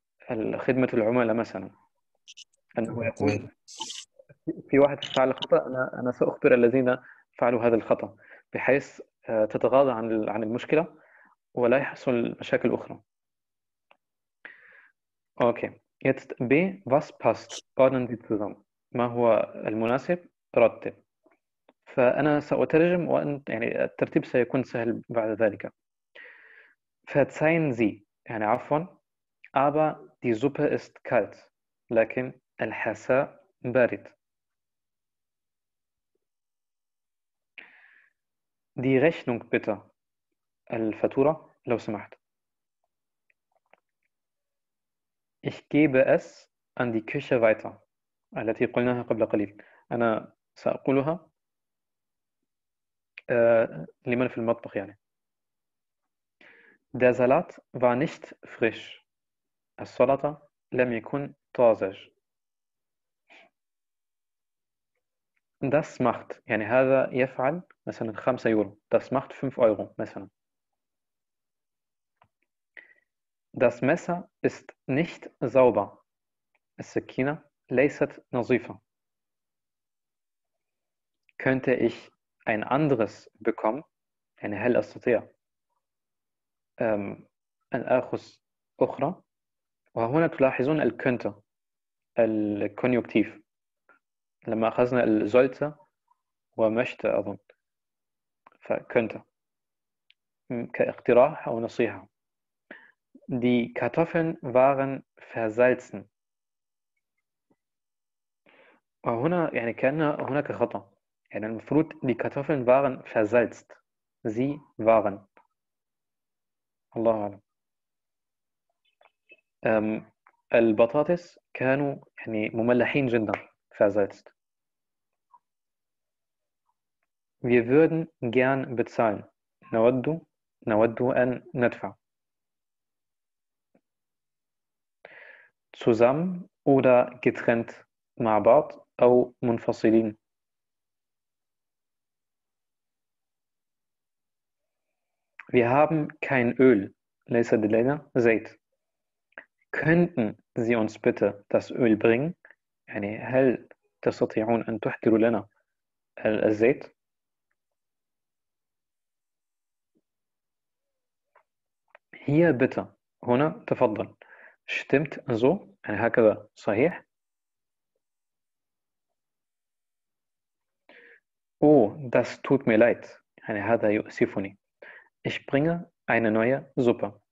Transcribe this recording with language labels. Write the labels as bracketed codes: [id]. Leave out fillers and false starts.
[ar] الخدمة العملاء مثلا أنه يقول في واحد فعل خطأ أنا سأخبر الذين فعلوا هذا الخطأ بحيث تتغاضى عن المشكلة ولا يحصل مشاكل أخرى. [de] Okay, jetzt B, was passt? Ordnen Sie zusammen. [ar] ما هو المناسب؟ رتب. فأنا سأترجم وأنت يعني الترتيب سيكون سهل بعد ذلك. فتساين زي يعني عفوا [de] aber die Suppe ist kalt, [ar] لكن الحساء بارد. [de] Die Rechnung bitte. [ar] الفاتورة لو سمحت. [de] Ich gebe es an die Küche weiter, [ar] التي قلناها قبل قليل. أنا سأقولها لمن في المطبخ يعني. [de] Der Salat war nicht frisch. [ar] السلطة لم يكن طازج. [de] Das macht, [ar] يعني هذا يفعل مثلا 5 يورو. [de] Das macht 5 Euro مثلا. Das Messer ist nicht sauber. [ar] السكينة ليست نظيفة. [de] Könnte ich ein anderes bekommen? [ar] يعني هل أستطيع أن آخذ أخرى؟ وهنا تلاحظون الـ könnte, الـ كونيوكتيف. لما أخذنا الـ sollte ومشت أظن. فـ könnte. كاقتراح أو نصيحة. [de] Die Kartoffeln waren versalzen. [ar] وهنا يعني كان هناك خطأ. يعني المفروض [de] die Kartoffeln waren versalzt. Sie waren. [ar] الله أعلم. البطاطس كانوا يعني مملحين جدا. [de] Versalzt. Wir würden gern bezahlen. [ar] نود. نود أن ندفع. [de] Zusammen oder getrennt [ar] مع بعض أو منفصلين. [de] Wir haben kein Öl. [ar] ليس لدينا زيت. [de] Könnten Sie uns bitte das Öl bringen? [ar] يعني هل تستطيعون أن تحضروا لنا الزيت؟ [de] Hier bitte. [ar] هنا تفضل. [de] Stimmt so? [ar] يعني هكذا صحيح؟ [de] Oh, das tut mir leid. [ar] يعني هذا يؤسفني. [de] Ich bringe eine neue Suppe.